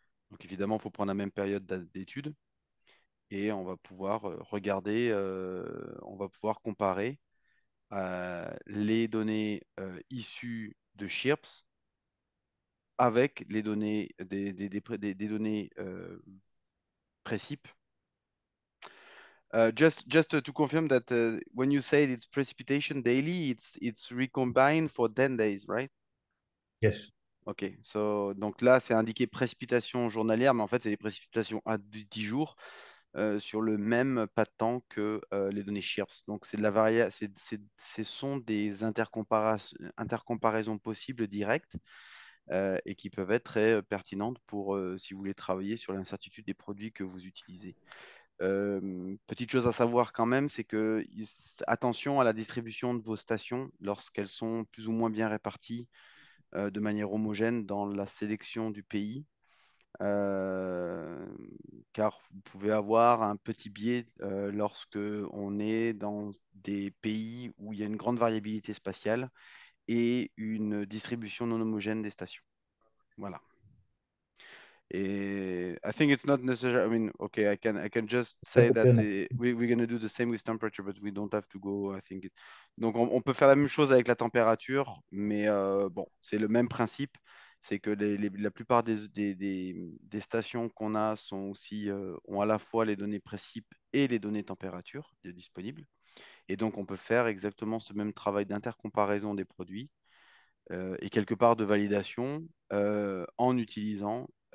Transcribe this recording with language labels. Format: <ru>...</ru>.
<fr>Donc évidemment, il faut prendre la même période d'étude et on va pouvoir comparer les données issues de SHIRPS avec les données des données précipes.</fr> <en>Just to confirm that when you say it's precipitation daily, it's recombined for 10 days, right? Yes. OK.</en> <fr>Donc là, c'est indiqué précipitation journalière, mais en fait, c'est des précipitations à 10 jours sur le même pas de temps que les données SHIRPS. Donc, c'est de la varia ce sont des intercomparaisons possibles directes et qui peuvent être très pertinentes pour si vous voulez travailler sur l'incertitude des produits que vous utilisez. Petite chose à savoir quand même, c'est que attention à la distribution de vos stations lorsqu'elles sont plus ou moins bien réparties de manière homogène dans la sélection du pays, car vous pouvez avoir un petit biais lorsque on est dans des pays où il y a une grande variabilité spatiale et une distribution non homogène des stations. Voilà.</fr> <en>Et I think it's not necessary. I mean, okay, I can just say that we're going to do the same with temperature, but we don't have to go. I think.</en> <fr>Donc, on peut faire la même chose avec la température, mais bon, c'est le même principe. C'est que la plupart des stations qu'on a ont à la fois les données précipes et les données température disponibles. Et donc, on peut faire exactement ce même travail d'intercomparaison des produits et quelque part de validation en utilisant.</fr>